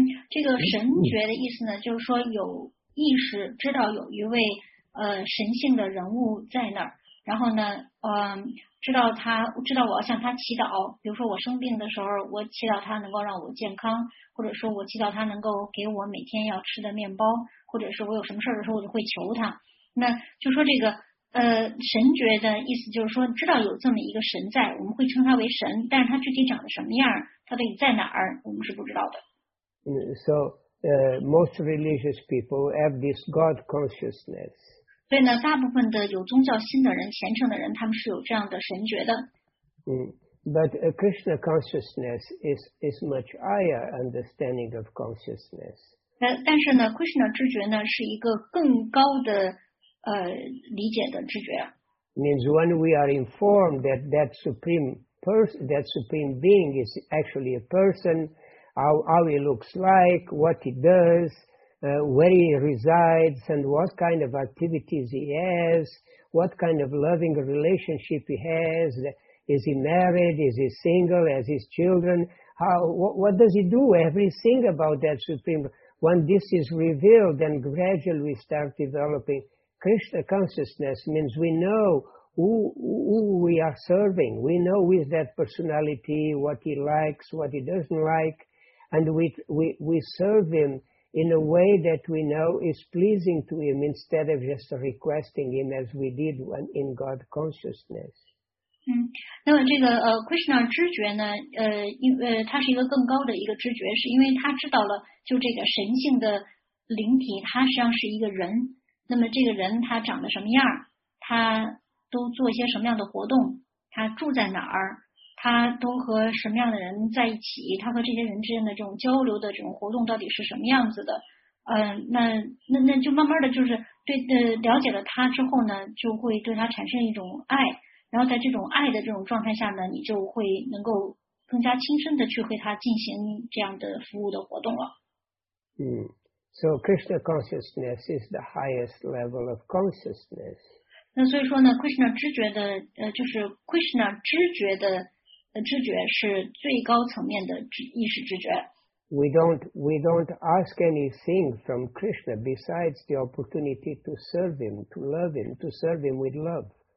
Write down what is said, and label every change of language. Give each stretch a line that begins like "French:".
Chinese: 这个神觉的意思呢，就是说有意识知道有一位神性的人物在那儿，然后呢，知道我要向他祈祷，比如说我生病的时候，我祈祷他能够让我健康，或者说我祈祷他能够给我每天要吃的面包，或者是我有什么事的时候我就会求他。那就说这个神觉的意思就是说知道有这么一个神在，我们会称他为神，但是他具体长得什么样，他到底在哪儿，我们是不知道的。
English: So, most religious people have this God consciousness.
Chinese: 所以呢，大部分的有宗教心的人、虔诚的人，他们是有这样的神觉的。
English: But a Krishna consciousness is much higher understanding of consciousness.
Chinese: 但是呢 ，Krishna 知觉呢是一个更高的理解的知觉。
English: Means when we are informed that supreme person, that supreme being is actually a person, how he looks like, what he does. Where he resides and what kind of activities he has, what kind of loving relationship he has, is he married, is he single, has his children, what does he do, everything about that Supreme. When this is revealed, then gradually we start developing Krishna consciousness, means we know who we are serving, we know who is that personality, what he likes, what he doesn't like, and we serve him in a way that we know is pleasing to him instead of just requesting him as we did when in God consciousness.
Chinese: 那么这个Krishna 知觉呢它是一个更高的一个知觉，是因为他知道了就这个神性的灵体他实际上是一个人，那么这个人他长得什么样，他都做一些什么样的活动，他住在哪儿，他都和什么样的人在一起，他和这些人之间的这种交流的这种活动到底是什么样子的，那就慢慢的就是对了解了他之后呢，就会对他产生一种爱，然后在这种爱的这种状态下呢，你就会能够更加亲身的去和他进行这样的服务的活动了。
English: So Krishna consciousness is the highest level of consciousness.
Chinese: 那所以说呢 ，Krishna 知觉的就是 Krishna 知觉的。知觉是最高层面的意识知觉。
English: We don't ask anything from Krishna besides the opportunity to serve him, to love him, to serve him with love.